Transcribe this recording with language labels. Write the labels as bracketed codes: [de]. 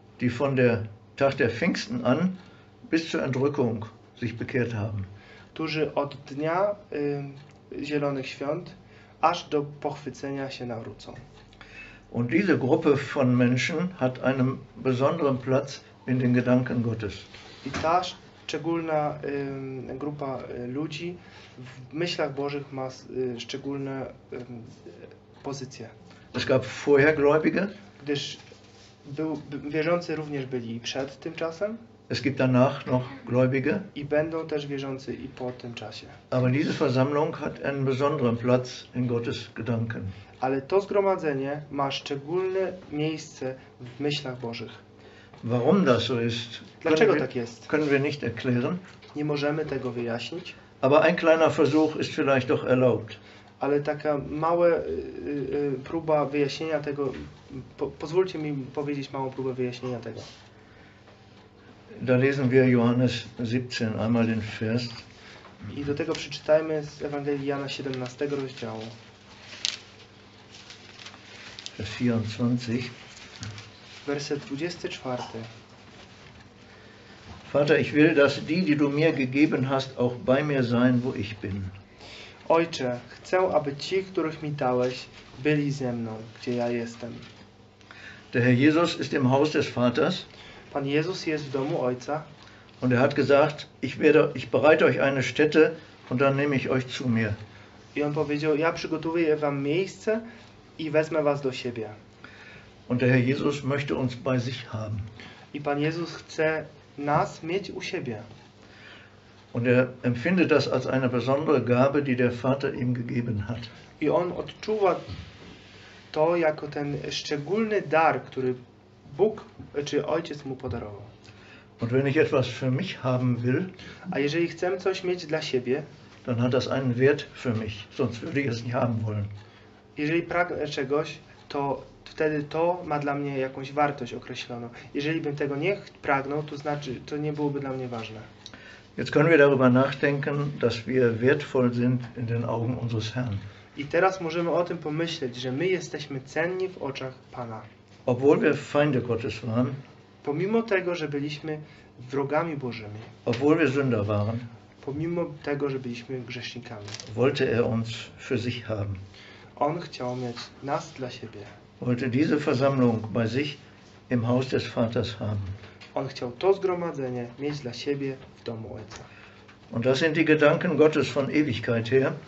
[de] die von der Tag der Pfingsten an bis zur Entrückung sich bekehrt haben. [pl] Którzy od dnia Zielonych Świąt aż do pochwycenia się nawrócą. [de] Und diese Gruppe von Menschen hat einen besonderen Platz in den Gedanken Gottes. [pl] I ta szczególna grupa ludzi w myślach Bożych ma szczególne pozycje. [de] Es gab vorher Gläubige. [pl] Gdyż wierzący również byli przed tym czasem. [de] Es gibt danach noch Gläubige. [pl] I będą też wierzący i po tym czasie. [de] Aber diese Versammlung hat einen besonderen Platz in Gottes Gedanken. [pl] Ale to zgromadzenie ma szczególne miejsce w myślach Bożych. [de] Warum das so ist? [pl] Dlaczego tak jest? [de] Können wir nicht erklären? [pl] Nie możemy tego wyjaśnić. [de] Aber ein kleiner Versuch ist vielleicht doch erlaubt. [pl] Ale taka mała próba wyjaśnienia tego, pozwólcie mi powiedzieć małą próbę wyjaśnienia tego. [de] Da lesen wir Johannes 17, einmal den Vers. [pl] I do tego przeczytajmy z Ewangelii Jana 17 rozdziału. [de] Vers 24. [pl] Werset 24. [de] Vater, ich will, dass die, die du mir gegeben hast, auch bei mir sein, wo ich bin. [pl] Ojcze, chcę, aby ci, których mi dałeś, byli ze mną, gdzie ja jestem. [de] Der Herr Jesus ist im Haus des Vaters. [pl] Pan Jezus jest w domu Ojca. [de] Und er hat gesagt, ich bereite euch eine Stätte und dann nehme ich euch zu mir. [pl] I on powiedział, ja przygotuję wam miejsce i wezmę was do siebie. [de] Und der Herr Jesus möchte uns bei sich haben. [pl] I Pan Jezus chce nas mieć u siebie. [de] Und er empfindet das als eine besondere Gabe, die der Vater ihm gegeben hat. [pl] I on odczuwa to jako ten szczególny dar, który Bóg czy Ojciec mu podarował. [de] Und wenn ich etwas für mich haben will, [pl] a jeżeli chcę coś mieć dla siebie, [de] dann hat das einen Wert für mich, sonst würde ich es nicht haben wollen. [pl] Jeżeli pragnę czegoś, to wtedy to ma dla mnie jakąś wartość określoną. Jeżeli bym tego nie pragnął, to znaczy, to nie byłoby dla mnie ważne. [de] Jetzt können wir darüber nachdenken, dass wir wertvoll sind in den Augen unseres Herrn. [pl] I teraz możemy o tym pomyśleć, że my jesteśmy cenni w oczach Pana. [de] Obwohl wir Feinde Gottes waren, [pl] pomimo tego, że byliśmy wrogami Bożymi, [de] obwohl wir Sünder waren, [pl] pomimo tego, że byliśmy grzesznikami, [de] wollte er uns für sich haben. [pl] On chciał mieć nas dla siebie. [de] Wollte diese Versammlung bei sich im Haus des Vaters haben. [pl] On chciał to zgromadzenie mieć dla siebie w domu Ojca. [de] Und das sind die Gedanken Gottes von Ewigkeit her.